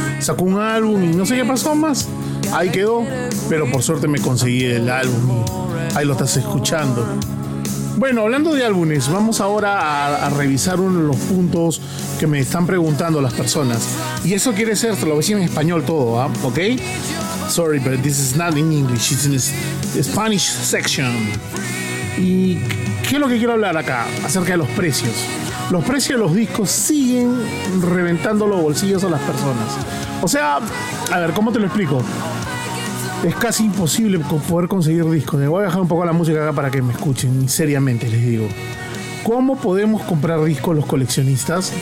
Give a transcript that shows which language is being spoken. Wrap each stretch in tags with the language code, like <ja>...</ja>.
<es>Sacó un álbum y no sé qué pasó más. Ahí quedó, pero por suerte me conseguí el álbum. Ahí lo estás escuchando. Bueno, hablando de álbumes, vamos ahora a revisar uno de los puntos que me están preguntando las personas. Y eso quiere ser, te lo voy a decir en español todo, ¿ah? ¿Ok?</es> <en>Sorry, but this is not in English, it's in the Spanish section.</en> <es>¿Y qué es lo que quiero hablar acá? Acerca de los precios. Los precios de los discos siguen reventando los bolsillos a las personas. O sea, a ver, ¿cómo te lo explico? Es casi imposible poder conseguir discos. Me voy a bajar un poco la música acá para que me escuchen. Y seriamente les digo, ¿cómo podemos comprar discos los coleccionistas?</es>